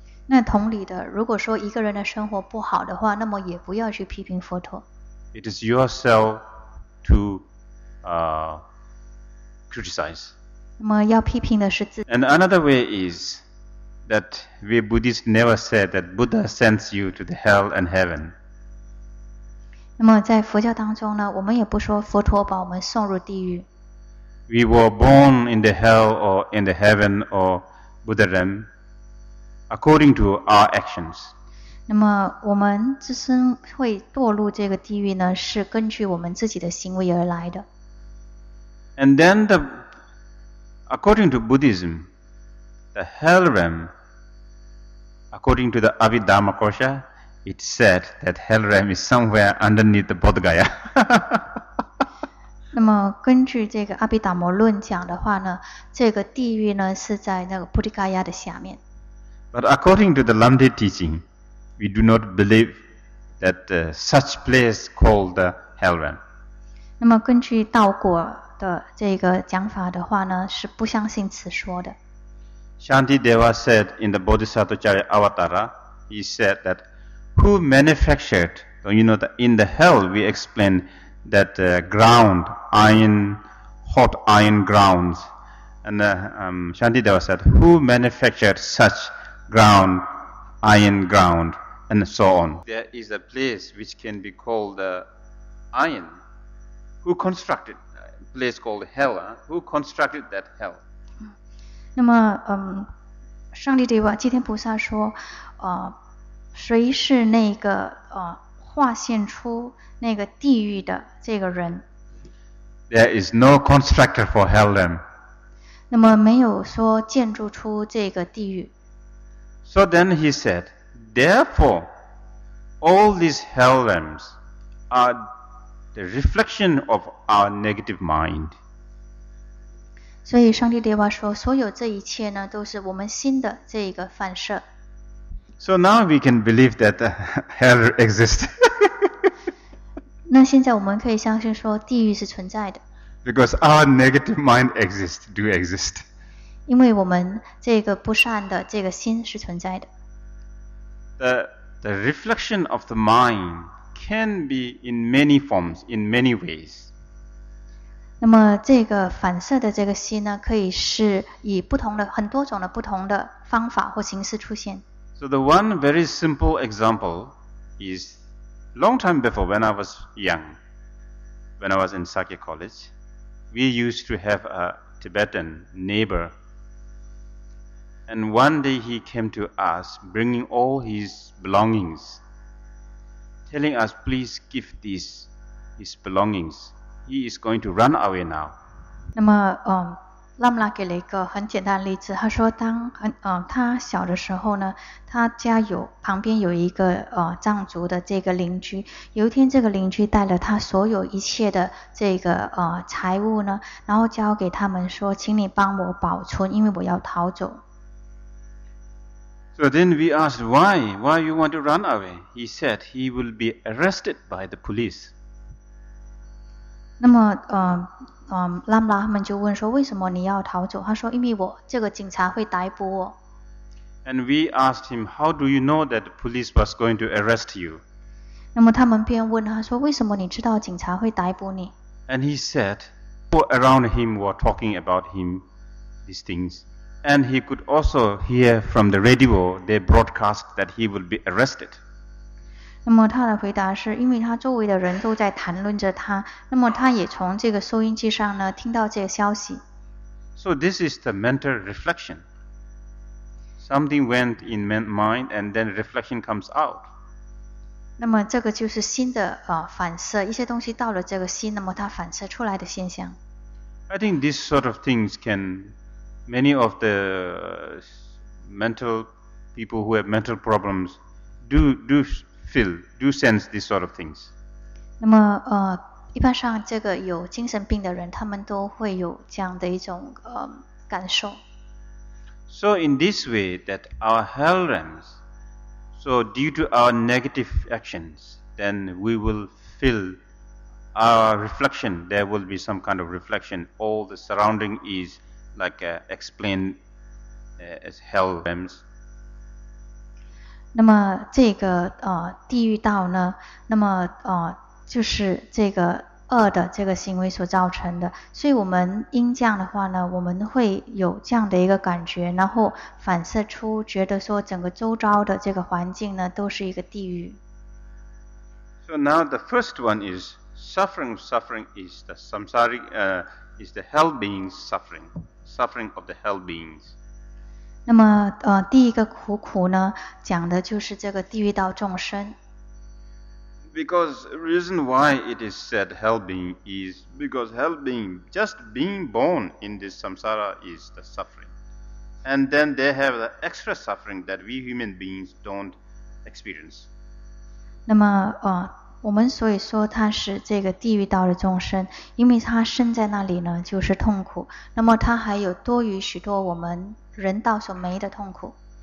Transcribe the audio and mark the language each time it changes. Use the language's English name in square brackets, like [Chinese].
[Chinese] 那同理的，如果说一个人的生活不好的话，那么也不要去批评佛陀。 [English] It is yourself to criticize. [Chinese] 那么要批评的是自己。 [English] And another way is. That we Buddhists never said that Buddha sends you to the hell and heaven. [Chinese] 那么在佛教当中呢，我们也不说佛陀把我们送入地狱。 [English] We were born in the hell or in the heaven or Buddha realm according to our actions. [Chinese] 那么我们自身会堕入这个地狱呢，是根据我们自己的行为而来的。 [English] And then according to Buddhism. The hell realm, according to the Abhidharma Kosha, it said that hell realm is somewhere underneath the Bodhgaya. [Chinese] 那么根据这个阿毗达摩论讲的话呢，这个地狱呢是在那个布迪伽亚的下面。 [English] But according to the Lamdi teaching, we do not believe that such place called the hell realm. [Chinese] 那么根据道果的这个讲法的话呢，是不相信此说的。 [English] Shanti Deva said in the Bodhisattva Charya Avatara, he said that who manufactured, you know, in the hell we explained that ground, iron, hot iron grounds, And Shantideva said, who manufactured such ground, iron ground, and so on? There is a place which can be called iron. Who constructed a place called hell? Who constructed that hell? [Chinese] 那么，上帝对吧？吉天菩萨说，谁是那个化现出那个地狱的这个人 [English] ？There is no constructor for hell then. [Chinese] 那么没有说建筑出这个地狱。 [English] So then he said, therefore, all these hell realms are the reflection of our negative mind. [Chinese] 所以上帝对话说，所有这一切呢，都是我们心的这一个反射。 [English] So now we can believe that hell exists. [Chinese] 那现在我们可以相信说，地狱是存在的。 [English] Because our negative mind exists, do exist. [Chinese] 因为我们这个不善的这个心是存在的。 [English] The reflection of the mind can be in many forms, in many ways. [Chinese] 那么这个反射的这个心呢，可以是以不同的很多种的不同的方法或形式出现。 [English] So the one very simple example is long time before when I was young, when I was in Sakya College, we used to have a Tibetan neighbor. And one day he came to us bringing all his belongings, telling us, please give these his belongings. He is going to run away now. [Chinese] 那么，Lam La 给了一个很简单的例子。他说，当他小的时候呢，他家有旁边有一个藏族的这个邻居。有一天，这个邻居带了他所有一切的这个财物呢，然后交给他们说，请你帮我保存，因为我要逃走。 [English] So then we asked why you want to run away? He said he will be arrested by the police. [Chinese] 那么，拉姆拉他们就问说，为什么你要逃走？他说，因为我这个警察会逮捕我。 [English] And we asked him, how do you know that the police was going to arrest you? [Chinese] 那么他们便问他说，为什么你知道警察会逮捕你？ [English] And he said, people around him were talking about him, these things. And he could also hear from the radio, they broadcast that he would be arrested. [Chinese] 那么他的回答是因为他周围的人都在谈论着他，那么他也从这个收音机上呢听到这个消息。 [English] So this is the mental reflection. Something went in mind and then reflection comes out. [Chinese] 那么这个就是心的反射，一些东西到了这个心，那么它反射出来的现象。 [English] I think this sort of things can many of the mental people who have mental problems do. Feel, do sense these sort of things. [Chinese] 那么，一般上这个有精神病的人，他们都会有这样的一种感受。 [English] So in this way, that our hell realms, so due to our negative actions, then we will feel our reflection. There will be some kind of reflection. All the surrounding is like explained as hell realms. [Chinese] 那么这个地狱道呢，那么就是这个恶的这个行为所造成的，所以我们因这样的话呢，我们会有这样的一个感觉，然后反射出觉得说整个周遭的这个环境呢都是一个地狱。 [English] So now the first one is suffering is the samsari is the hell beings suffering of the hell beings. [Chinese] 那么第一个苦呢讲的就是这个地狱道众生。 [English] Because reason why it is said hell being is because hell being just being born in this samsara is the suffering. And then they have the extra suffering that we human beings don't experience. [Chinese] 那么我们所以说他是这个地狱道的众生，因为他生在那里呢就是痛苦，那么他还有多于许多我们人道所没的痛苦。